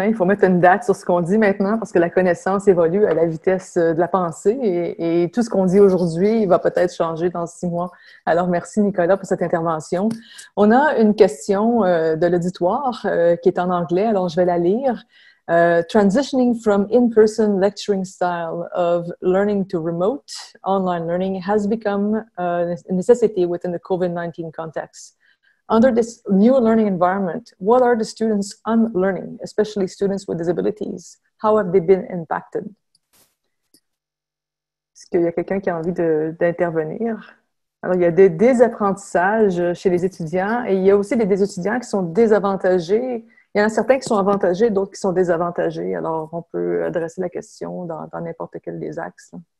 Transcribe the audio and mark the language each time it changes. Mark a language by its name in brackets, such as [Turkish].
[French] Hein? Il faut mettre une date sur ce qu'on dit maintenant parce que la connaissance évolue à la vitesse de la pensée et tout ce qu'on dit aujourd'hui va peut-être changer dans 6 mois. Alors, merci Nicolas pour cette intervention. On a une question de l'auditoire qui est en anglais, alors je vais la lire. [English] Transitioning from in-person lecturing style of learning to remote online learning has become a necessity within the COVID-19 context. Under this new learning environment, what are the students unlearning, especially students with disabilities? How have they been impacted? [French] Est-ce qu'il y a quelqu'un qui a envie d'intervenir? Alors, il y a des désapprentissages chez les étudiants et il y a aussi des étudiants qui sont désavantagés. Il y en a certains qui sont avantagés, d'autres qui sont désavantagés. Alors, on peut adresser la question dans n'importe quel des axes.